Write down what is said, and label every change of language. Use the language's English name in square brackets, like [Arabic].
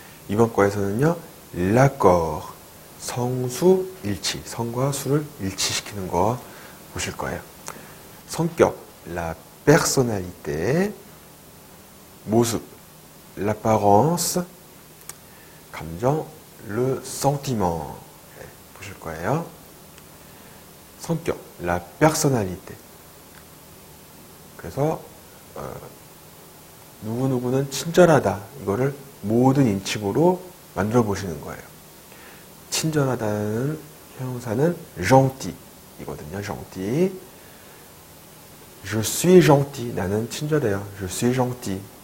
[Korean] 이번 거에서는요, l'accord, 성수일치, 성과 수를 일치시키는 거 보실 거예요. 성격, la personnalité, 모습, l'apparence, 감정, le sentiment, 보실 거예요. [French] 성격, la personnalité. [Korean] 그래서 누구누구는 친절하다, 이거를 모든 인칭으로 만들어 보시는 거예요. 친절하다는 형용사는 gentil 이거든요. [French] gentil. Je suis gentil. [Korean] 나는 친절해요. [French] Je suis gentil.